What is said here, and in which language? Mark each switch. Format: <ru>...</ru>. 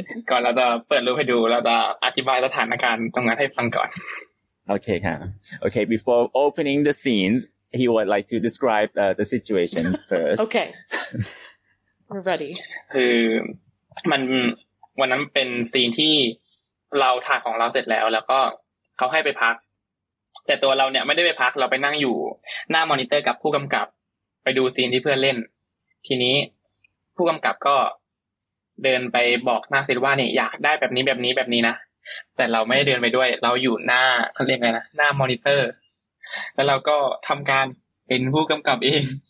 <th>ก่อนเราจะเปิดรูปให้ดูเราจะอธิบายสถานการณ์ตรงนั้นให้ฟังก่อน</th> <en>Okay, ค่ะ Okay, before opening the scenes, he would like to describe the situation first. Okay. We're ready.</en> <th>คือมันวันนั้นเป็นซีนที่เราถ่ายของเราเสร็จแล้วก็เขาให้ไปพักแต่ตัวเราเนี่ยไม่ได้ไปพักเราไปนั่งอยู่หน้ามอนิเตอร์กับผู้กำกับไปดูซีนที่เพื่อนเล่นทีนี้ผู้กำกับก็เดินไปบอกหน้าซีนว่าเนี่ยอยากได้แบบนี้นะแต่เราไม่ได้เดินไปด้วยเราอยู่หน้าเขาเรียกไงนะหน้ามอนิเตอร์แล้วเราก็ทำการเป็นผู้กำกับเอง</th>